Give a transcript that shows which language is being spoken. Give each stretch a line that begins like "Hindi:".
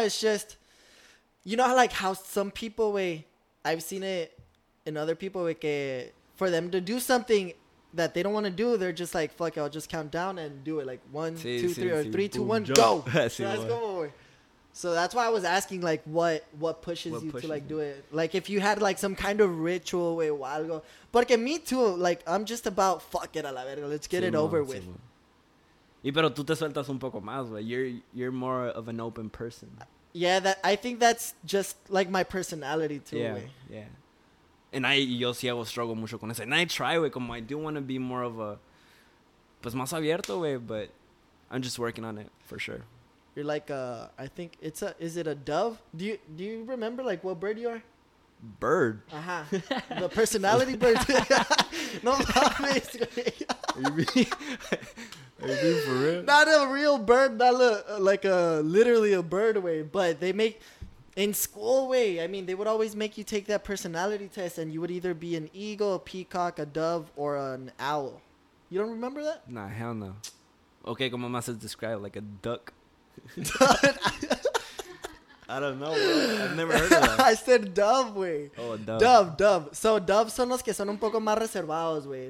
English: It's just, you know, like, how some people, I've seen it in other people, for them to do something that they don't want to do, they're just like, fuck it, I'll just count down and do it. Like, one, sí, two, sí, three, sí. or three, boom, two, one, jump. Go.
Spanish: Sí,
English: so, let's go away. So that's why I was asking, like, what pushes you to, like, do it? Like, if you had, like, some kind of ritual, wey,
Spanish: o algo.
English: Porque me too, like, I'm just about, fuck it,
Spanish: a la verga,
English: let's get it over with.
Spanish: Y pero tú te sueltas un poco más, wey.
English: You're more of an open person. Yeah, that I think that's just, like, my personality too, yeah, wey. Yeah. And
Spanish: yo sí hago
English: struggle
Spanish: mucho con eso.
English: And I try, güey, como I do want to be more of a,
Spanish: pues más abierto,
English: güey, but I'm just working on it, for sure. You're like I think it's a, is it a dove? Do you remember, like, what bird you are? Bird? Uh-huh. The personality bird.
Spanish: No, mames.
English: Are you being for real? Not a real bird, not like a, literally a bird, way, but they make... In school, way, I mean, they would always make you take that personality test, and you would either be an eagle, a peacock, a dove, or an owl. You don't remember that? Nah, hell no. Okay,
Spanish: como más es
English: describe, like a duck. I don't know, bro. I've never heard of that. I said dove, way. Oh, a dove. Dove. So,
Spanish: doves son los que son un poco más reservados, way.